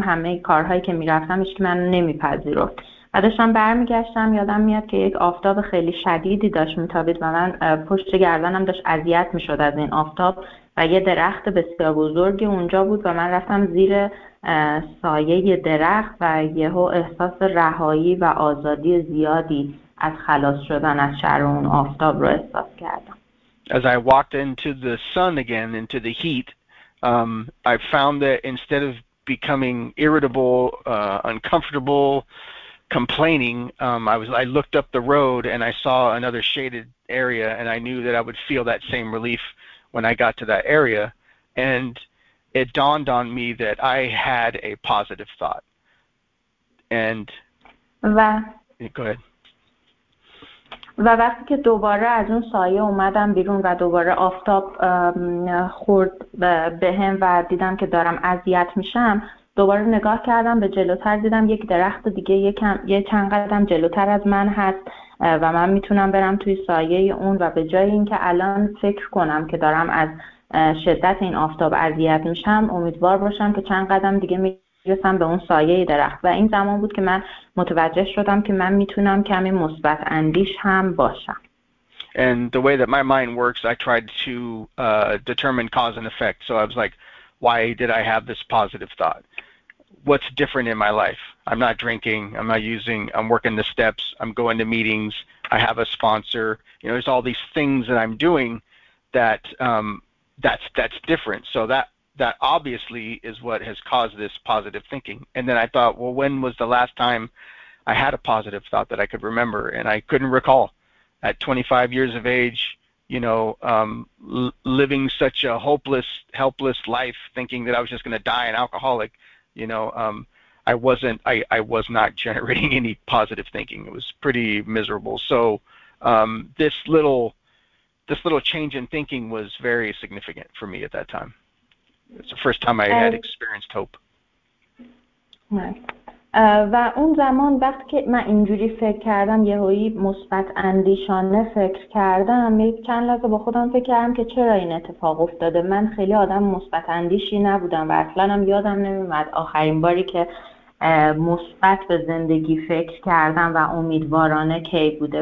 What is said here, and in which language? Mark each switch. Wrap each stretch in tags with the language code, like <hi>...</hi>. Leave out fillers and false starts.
<fa>همه کارهایی که می‌رفتم هیچ من نمی‌پذیرفت. داشتم برمیگشتم، یادم میاد که یک آفتاب خیلی شدیدی داشت میتابید و من پشت گردنم داشت اذیت میشد از این آفتاب و یه درخت بسیار بزرگی اونجا بود و من رفتم زیر سایه درخت و یهو احساس رهایی و آزادی زیادی از خلاص شدن از شر اون آفتاب رو احساس کردم.</fa> <en>As I walked into the sun again, into the heat, I found that instead of becoming irritable, uncomfortable, complaining, I looked up the road and I saw another shaded area, and I knew that I would feel that same relief when I got to that area. And it dawned on me that I had a positive thought. And go ahead.</en> <fa>و وقتی که دوباره از اون سایه اومدم بیرون و دوباره آفتاب خورد به هم و دیدم که دارم اذیت میشم، دوباره نگاه کردم به جلوتر، دیدم یک درخت دیگه یه چند قدم جلوتر از من هست و من میتونم برم توی سایه اون و به جای اینکه الان فکر کنم که دارم از شدت این آفتاب اذیت میشم، امیدوار باشم که چند قدم دیگه میرسم به اون سایه درخت. و این زمان بود که من متوجه شدم که من میتونم کمی مثبت اندیش هم باشم.</fa> <en>And the way that my mind works, I tried to determine cause and effect. So I was like, why did I have this positive thought? What's different in my life? I'm not drinking. I'm not using. I'm working the steps. I'm going to meetings. I have a sponsor. You know, there's all these things that I'm doing that that's different. So that obviously is what has caused this positive thinking. And then I thought, well, when was the last time I had a positive thought that I could remember? And I couldn't recall. At 25 years of age, you know, living such a hopeless, helpless life, thinking that I was just going to die an alcoholic, you know, I was not generating any positive thinking. It was pretty miserable. So this little change in thinking was very significant for me at that time. It's the first time I had experienced hope.</en> <fa>و اون زمان وقتی که من اینجوری فکر کردم، یهویی مثبت اندیشانه فکر کردم، چند لحظه با خودم فکر کردم که چرا این اتفاق افتاده. من خیلی آدم مثبت اندیشی نبودم و اصلا هم یادم نمیومد آخرین باری که مثبت به زندگی فکر کردم و امیدوارانه کی بوده.</fa>